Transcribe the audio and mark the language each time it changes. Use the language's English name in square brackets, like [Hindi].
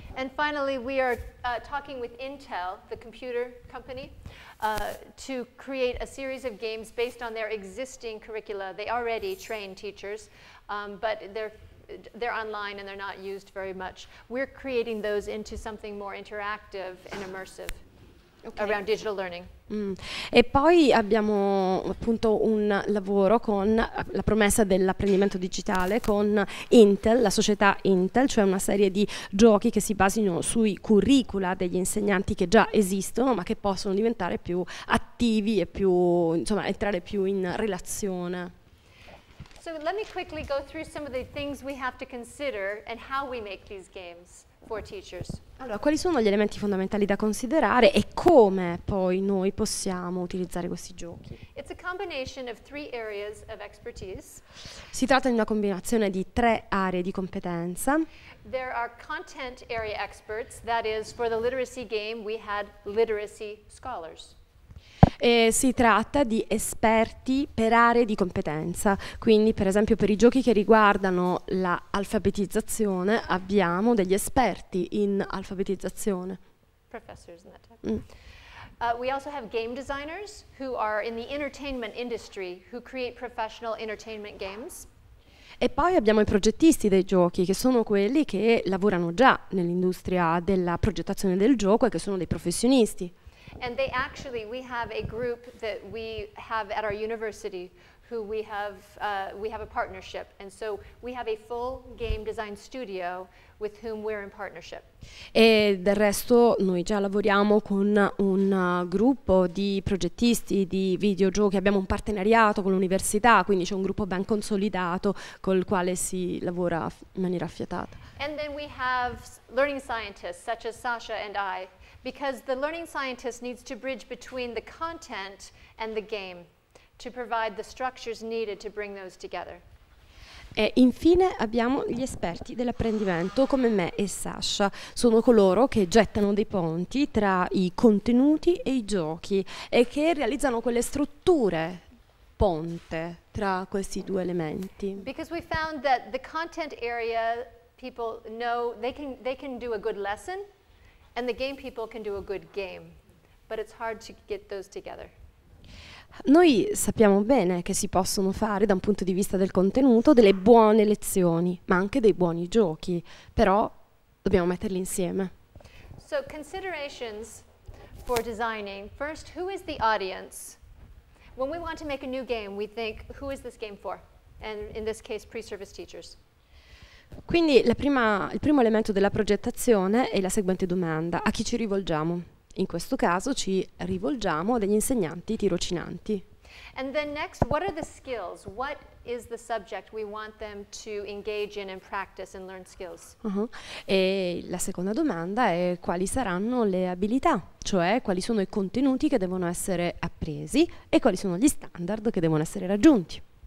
[English] And finally we are talking with Intel, the computer company, to create a series of games based on their existing curricula. They already train teachers, but they're online and they're not used very much. We're creating those into something more interactive and immersive. Okay. Around digital learning. Mm. [Italian] E poi abbiamo appunto un lavoro con la promessa dell'apprendimento digitale con Intel, la società Intel, cioè una serie di giochi che si basino sui curricula degli insegnanti che già esistono, ma che possono diventare più attivi e più, insomma, entrare più in relazione. [English] So let me quickly go through some of the things we have to consider and how we make these games. For teachers. [Italian] Allora, quali sono gli elementi fondamentali da considerare e come poi noi possiamo utilizzare questi giochi? [English] It's a combination of three areas of expertise. [Italian] Si tratta di una combinazione di tre aree di competenza. [English] There are content area experts, that is, for the literacy game we had literacy scholars. [Italian] E si tratta di esperti per aree di competenza, quindi per esempio per i giochi che riguardano l'alfabetizzazione abbiamo degli esperti in alfabetizzazione. [English] Professors in that type. Mm. We also have game designers who are in the entertainment industry who create professional entertainment games. [Italian] E poi abbiamo i progettisti dei giochi, che sono quelli che lavorano già nell'industria della progettazione del gioco e che sono dei professionisti. [English] And they actually, we have a group that we have at our university who we have a partnership. And so we have a full game design studio with whom we're in partnership. [Italian] E del resto noi già lavoriamo con un gruppo di progettisti di videogiochi, abbiamo un partenariato con l'università, quindi c'è un gruppo ben consolidato col quale si lavora in maniera affiatata. [English] And then we have learning scientists such as Sasha and I. Because the learning scientist needs to bridge between the content and the game to provide the structures needed to bring those together. [Italian] E infine abbiamo gli esperti dell'apprendimento come me e Sasha. Sono coloro che gettano dei ponti tra i contenuti e i giochi e che realizzano quelle strutture ponte tra questi due elementi. [English] Because we found that the content area people know they can do a good lesson. And the game people can do a good game, but it's hard to get those together. [Italian] Noi sappiamo bene che si possono fare, da un punto di vista del contenuto, delle buone lezioni, ma anche dei buoni giochi, però dobbiamo metterli insieme. [English] So, considerations for designing. First, who is the audience? When we want to make a new game, we think, who is this game for? And in this case, pre-service teachers. [Italian] Quindi il primo elemento della progettazione è la seguente domanda: a chi ci rivolgiamo? In questo caso ci rivolgiamo a degli insegnanti tirocinanti. [English] And then next, what are the skills? What is the subject we want them to engage in and practice and learn skills? [Italian] E la seconda domanda è: quali saranno le abilità? Cioè, quali sono i contenuti che devono essere appresi e quali sono gli standard che devono essere raggiunti?